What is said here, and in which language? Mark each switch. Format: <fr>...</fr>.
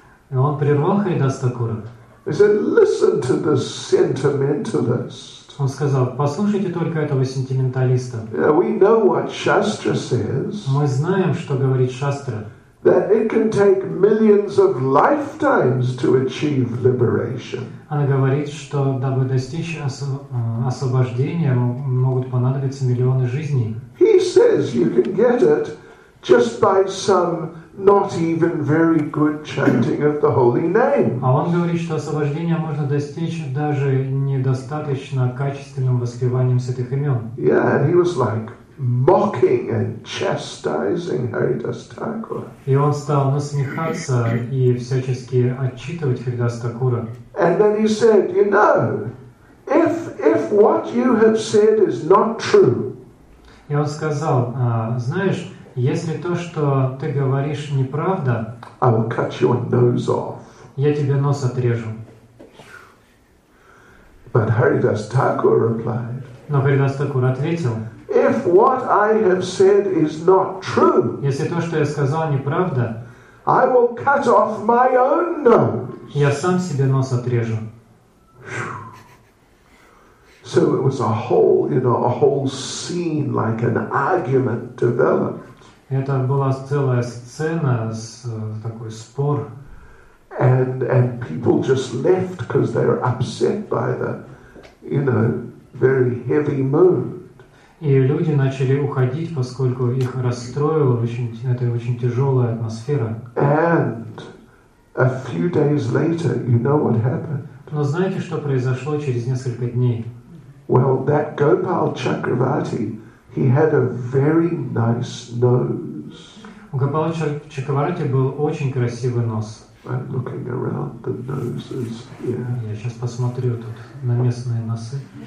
<ru>И он прервал Харидас Такура.</ru> <en>He said, "Listen to the sentimentalist."</en> <ru>Он сказал, послушайте только этого сентименталиста.</ru> <en>Yeah, we know what Shastra says.</en> <ru>Мы знаем, что говорит Шастра.</ru> <en>That it can take millions of lifetimes to achieve liberation.</en> <ru>Она говорит, что дабы достичь освобождения, могут понадобиться миллионы жизней.</ru> <en>He says you can get it just by some not even very good chanting of the holy name.</en> <ru>А он говорит, что освобождение можно достичь даже недостаточно качественным воспеванием святых имен.</ru> <en>Yeah, and he was like mocking and chastising Haridas Thakura.</en> <ru>И он стал насмехаться и всячески отчитывать Харидас Такура.</ru> <en>And then he said, you know, if what you have said is not true.</en> <ru>И он сказал, знаешь, если то, что ты говоришь, неправда,</ru> <en>I will cut your nose off.</en> <ru>Я тебе нос отрежу.</ru> <en>But Haridas Thakura replied.</en> <ru>Но Харидас-такур ответил:</ru> <en>If what I have said is not true,</en> <ru>если то, что я сказал, неправда,</ru> <en>I will cut off my own nose.</en> <ru>Я сам себе нос отрежу.</ru> <en>So it was a whole, you know, a whole scene like an argument developed.</en> <ru>Это была целая сцена, такой спор.</ru> <en>And people just left because they were upset by the, you know, very heavy mood.</en> <ru>И люди начали уходить, поскольку их расстроила очень тяжелая атмосфера.</ru> <en>And a few days later, you know what happened?</en> <ru>Но знаете, что произошло через несколько дней?</ru> <en>Well, that Gopal Chakravarti, he had a very nice nose.</en> <ru>У Гопала Чакраварти был очень красивый нос.</ru> <en>I'm looking around the noses. Yeah.</en> <ru>Я сейчас посмотрю тут на местные носы.</ru>